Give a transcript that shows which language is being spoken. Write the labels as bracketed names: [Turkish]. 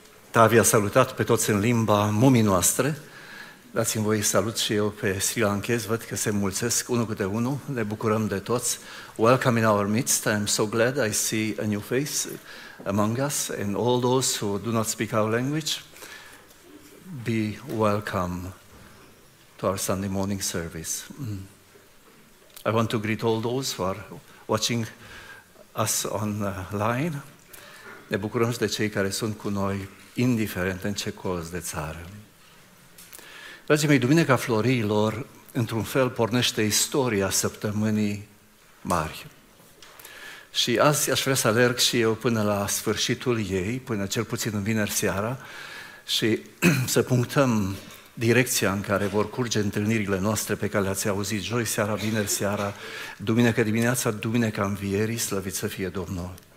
[Romanian] Tavi a salutat pe toți în limba mumii noastre. Dați-mi voi salut și eu pe Sri Lankese, văd că se mulțesc unul câte unul, ne bucurăm de toți. [English] Welcome in our midst, I am so glad I see a new face among us and all those who do not speak our language. Be welcome to our Sunday morning service. I want to greet all those who are watching us online. [Romanian] Ne bucurăm și de cei care sunt cu noi, indiferent în ce colț de țară. Dragii mei, Duminica Floriilor, într-un fel, pornește istoria săptămânii mari. Și azi aș vrea să alerg și eu până la sfârșitul ei, până cel puțin în vineri seara, și să punctăm direcția în care vor curge întâlnirile noastre pe care le-ați auzit joi seara, vineri seara, duminică dimineața, duminica învierii, slăvit să fie Domnul.